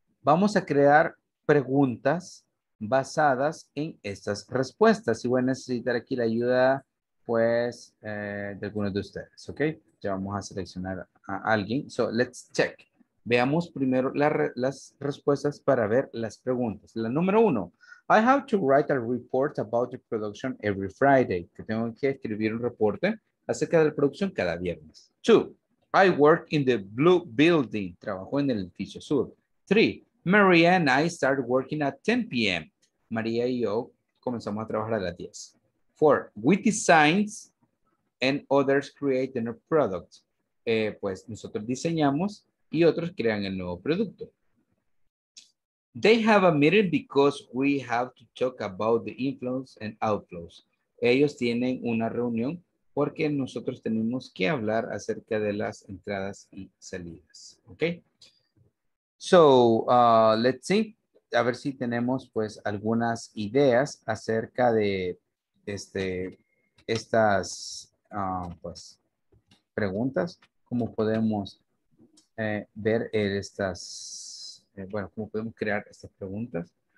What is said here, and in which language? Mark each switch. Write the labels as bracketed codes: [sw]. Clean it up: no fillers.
[es] Vamos a crear preguntas basadas en estas respuestas. Y voy a necesitar aquí la ayuda, pues, de algunos de ustedes, ¿ok? Ya vamos a seleccionar a alguien. [en] So, let's check. [es] Veamos primero las respuestas para ver las preguntas. La número uno. [en] I have to write a report about the production every Friday. [es] Que tengo que escribir un reporte acerca de la producción cada viernes. [en] Two. I work in the blue building. [es] Trabajo en el edificio azul. [en] Three. Maria and I start working at 10 p.m. [es] Maria y yo comenzamos a trabajar a las 10. [en] Four, we design and others create a new product. [es] Pues nosotros diseñamos y otros crean el nuevo producto. [en] They have a meeting because we have to talk about the inflows and outflows. [es] Ellos tienen una reunión porque nosotros tenemos que hablar acerca de las entradas y salidas. Okay. So, let's see, a ver si tenemos pues algunas ideas acerca de estas pues preguntas, cómo podemos ver estas, bueno, cómo podemos crear estas preguntas.